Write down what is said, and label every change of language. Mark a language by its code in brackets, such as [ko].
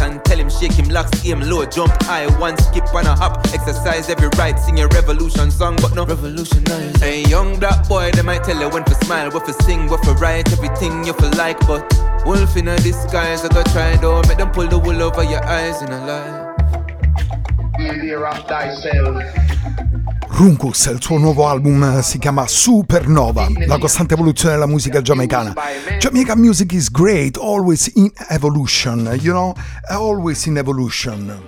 [en] And tell him shake him locks, aim low, jump high. One skip and a hop, exercise every right. Sing your revolution song, but no revolutionize. A young black boy, they might tell you when for smile, what for sing, what for write. Everything you for like, but wolf in a disguise. I got tried, though, make them pull the wool over your eyes in a lie. Here of thyself. [it] Runcus, il suo nuovo album si chiama Supernova, la costante evoluzione della musica giamaicana. [en] Jamaica music is great, always in evolution, you know, always in evolution.